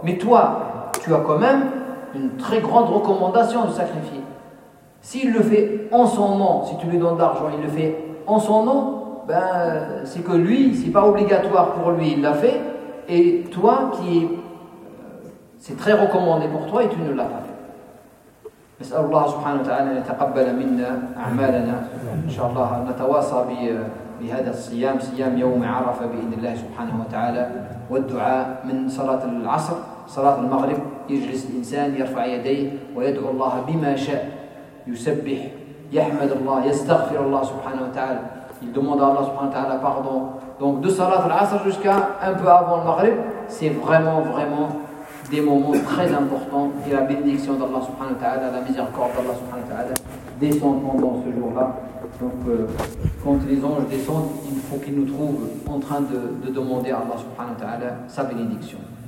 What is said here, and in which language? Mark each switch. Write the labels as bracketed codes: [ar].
[fr] Mais toi, tu as quand même une très grande recommandation de sacrifier. S'il le fait en son nom, si tu lui donnes de l'argent, il le fait en son nom, ben, c'est que lui, c'est pas obligatoire pour lui, il l'a fait. Et toi, qui c'est très recommandé pour toi, et tu ne l'as pas fait. [ar] نسأل الله سبحانه وتعالى أن يتقبل منا أعمالنا إن شاء الله نتواصى بهذا الصيام صيام يوم عرفة بإذن الله سبحانه وتعالى والدعاء من صلاة العصر صلاة المغرب يجلس الإنسان يرفع يديه ويدعو الله بما شاء يسبح يحمد الله يستغفر الله سبحانه وتعالى [fr] il demande à Allah [ar] سبحانه وتعالى [fr] pardon donc de [ar] صلاة العصر [fr] jusqu'à un peu avant le maghrib c'est vraiment des moments très importants et la bénédiction d'Allah subhanahu wa ta'ala, la miséricorde d'Allah subhanahu wa ta'ala descend pendant ce jour-là. Donc quand les anges descendent, il faut qu'ils nous trouvent en train de demander à Allah subhanahu wa ta'ala sa bénédiction.